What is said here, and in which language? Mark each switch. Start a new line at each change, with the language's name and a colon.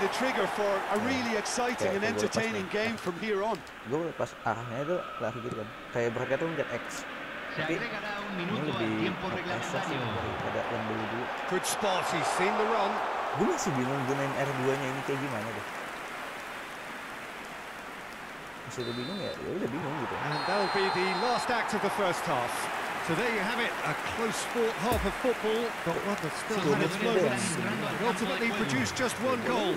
English: the trigger for a really exciting and entertaining game from here on.
Indonesian: Gue pas arahnya itu lari gitu kan. Kayak bracket tuh mungkin X. Tapi ini lebih daripada yang dulu-dulu.
English: Good spot, he's seen the run.
Indonesian: Gue masih bingung gunain R2-nya ini kayak gimana deh. Masih udah bingung ya? Ya udah bingung gitu.
English: And that'll be the last act of the first half. So there you have it, a close-fought half of football, but one that still had its moments, and ultimately produced just one goal.